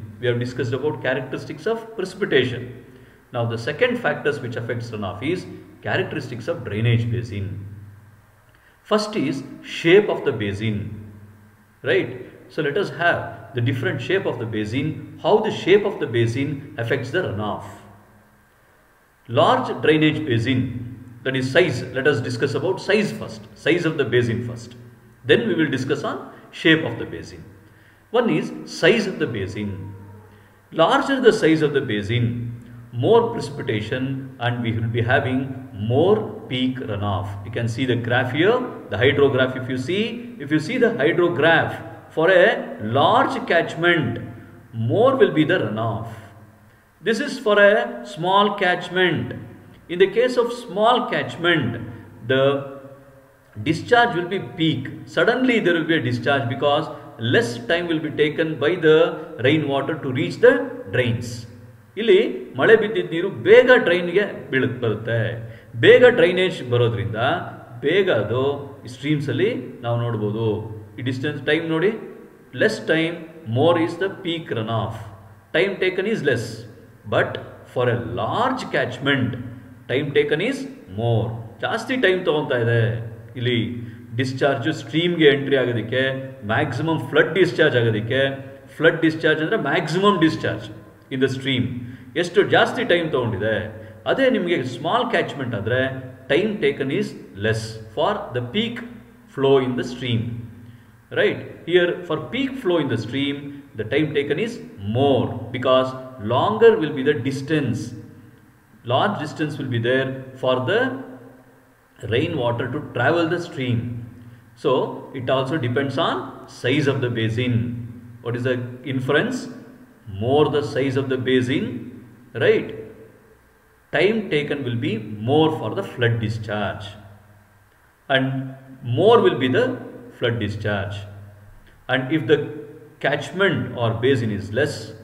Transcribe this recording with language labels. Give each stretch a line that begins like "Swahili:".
English: We have discussed about characteristics of precipitation. ನಾವು the second factors which affects runoff is characteristics of drainage basin. First is shape of the basin, right? So let us have the different shape of the basin, how the shape of the basin effects the runoff. Large drainage basin, that is size, let us discuss about size first, size of the basin first, then we will discuss on shape of the basin. One is size of the basin. Larger the size of the basin, more precipitation and we will be having more peak runoff. You can see the graph here, the hydrograph. If you see the hydrograph, for a large catchment more will be the runoff. This is for a small catchment. In the case of small catchment, the discharge will be peak. Suddenly there will be a discharge because less time will be taken by the rainwater to reach the drains.
Kannada: ಇಲ್ಲಿ ಮಳೆ ಬಿದ್ದಿದ್ದ ನೀರು ಬೇಗ ಡ್ರೈನ್ಗೆ ಬರುತ್ತೆ. ಬೇಗ drainage ಬರೋದ್ರಿಂದ ಬೇಗ ಅದು ಸ್ಟ್ರೀಮ್ಸಲ್ಲಿ ನಾವು ನೋಡ್ಬೋದು.
English: ಈ distance time ನೋಡಿ, less time more is the peak run off. Time taken is less, but for a large catchment time taken is more.
Kannada: ಜಾಸ್ತಿ ಟೈಮ್ ತಗೊಂತಾ ಇದೆ ಇಲ್ಲಿ ಡಿಸ್ಚಾರ್ಜು. ಸ್ಟ್ರೀಮ್ಗೆ ಎಂಟ್ರಿ ಆಗೋದಕ್ಕೆ ಮ್ಯಾಕ್ಸಿಮಮ್ ಫ್ಲಡ್ ಡಿಸ್ಚಾರ್ಜ್ ಆಗೋದಕ್ಕೆ, ಫ್ಲಡ್ ಡಿಸ್ಚಾರ್ಜ್ ಅಂದರೆ
English: maximum discharge in the stream,
Kannada: ಎಷ್ಟು ಜಾಸ್ತಿ time ತಗೊಂಡಿದೆ. ಅದೇ ನಿಮಗೆ
English: Small catchment ಆದರೆ time taken is less for the peak flow in the stream, right? Here for peak flow in the stream the time taken is more because longer will be the distance. Large distance will be there for the rain water to travel the stream. So it also depends on size of the basin. What is the inference? More the size of the basin, right, time taken will be more for the flood discharge, and more will be the flood discharge. And if the catchment or basin is less,